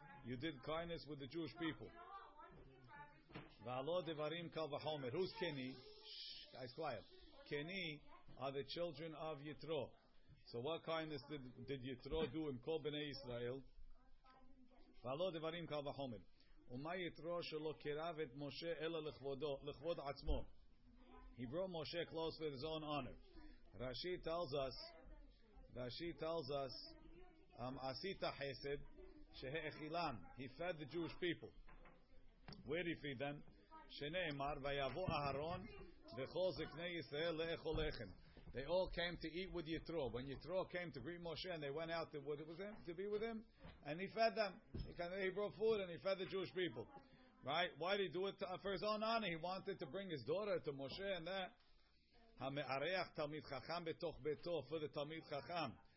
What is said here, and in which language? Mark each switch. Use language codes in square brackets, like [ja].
[en] You did kindness with the Jewish people. [he] Ve'alo Devarim Kal V'Homer. [en] Who's Keni? Shh, guys, quiet. Keni are the children of Yitro. So what kindness did Yitro do [he] Im Kol Bnei Yisrael? Ve'alo Devarim Kal V'Homer. ומה יתרו שלא קירב את משה אלא לכבוד עצמו. [en] He brought Moshe close with his own honor. Rashi tells us, [he] עשיתה חסד שהאכילם. [en] He fed the Jewish people. Where did he feed them? [he] שנאמר, ויבוא אהרון וכל זקני ישראל לאכול לחם. [en] They all came to eat with Yitro. When Yitro came to greet Moshe and they went out to be with him, and he fed them. He brought food and he fed the Jewish people. Right? Why did he do it for his own honor? He wanted to bring his daughter to Moshe and that. [he] Ha-me'areach Talmid Chacham betoch beto [en] for the Talmid Chacham.